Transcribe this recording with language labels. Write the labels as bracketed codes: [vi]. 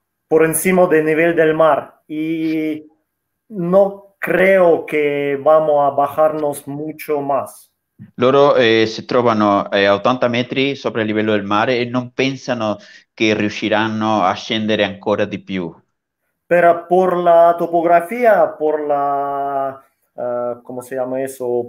[es] Por encima del nivel del mar y no creo que vamos a bajarnos mucho más. [it] Loro si trovano a 80 metri sopra il livello del mare e non pensano che riusciranno a scendere ancora di più. [es] Pero por la topografía, por la ¿cómo se llama eso?